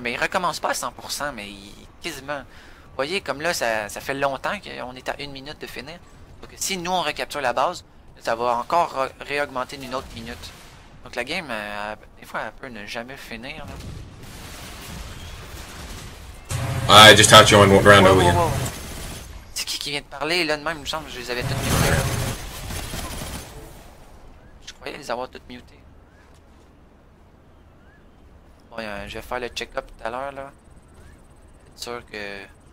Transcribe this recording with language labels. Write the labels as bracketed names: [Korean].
[French] Mais il recommence pas à 100%, mais il quasiment. Vous voyez, comme là, ça fait longtemps qu'on est à une minute de finir. Donc si nous on recapture la base, ça va encore réaugmenter d'une autre minute. Donc la game, des fois, elle peut ne jamais finir. Là. [English] I just had to join one round earlier. [French] C'est qui vient de parler là de même, il me semble que je les avais toutes mutées. Je croyais les avoir toutes mutées. Bon, je vais faire le check-up tout à l'heure là. Être sûr que.